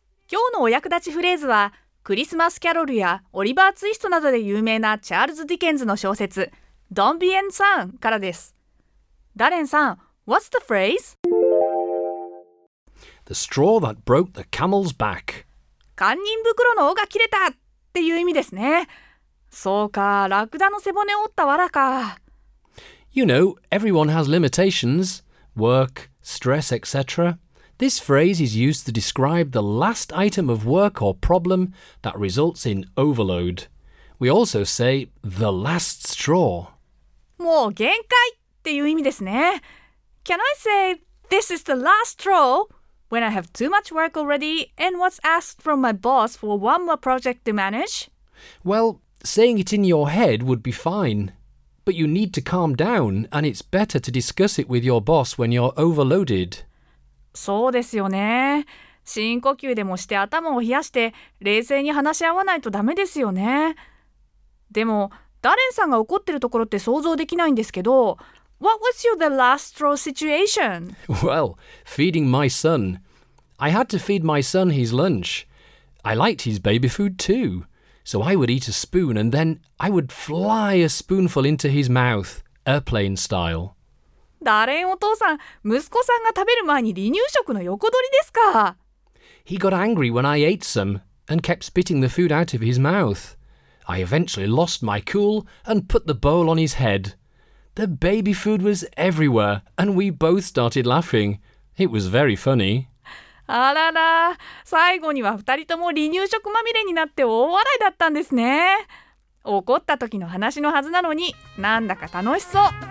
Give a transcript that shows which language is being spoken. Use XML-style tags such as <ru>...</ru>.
<ja>今日のお役立ちフレーズは、クリスマスキャロルやオリバーツイストなどで有名なチャールズ・ディケンズの小説 Don't be insane からです。</ja> <en>ダレンさん、 What's the phrase? The straw that broke the camel's back.</en> <ja>堪忍袋の尾が切れたっていう意味ですね。そうか、ラクダの背骨を折った藁か。</ja> <en>You know, everyone has limitations. Workstress, etc. This phrase is used to describe the last item of work or problem that results in overload. We also say the last straw.</en> <ja>もう限界っていう意味ですね。</ja> <en>Can I say this is the last straw when I have too much work already and was asked from my boss for one more project to manage? Well, saying it in your head would be fine. But you need to calm down, and it's better to discuss it with your boss when you're overloaded.</en> <ja>そうですよね。深呼吸でもして頭を冷やして冷静に話し合わないとダメですよね。でも、ダレンさんが怒ってるところって想像できないんですけど、</ja> <en>What was your the last straw situation? Well, feeding my son. I had to feed my son his lunch. I liked his baby food too. So I would eat a spoon and then I would fly a spoonful into his mouth, airplane style.</en> <ja>ダレンお父さん、息子さんが食べる前に離乳食の横取りですか?</ja> <en>He got angry when I ate some and kept spitting the food out of his mouth. I eventually lost my cool and put the bowl on his head. The baby food was everywhere and we both started laughing. It was very funny.</en> <ja>あらら、最後には二人とも離乳食まみれになって大笑いだったんですね。怒った時の話のはずなのに、なんだか楽しそう。</ja>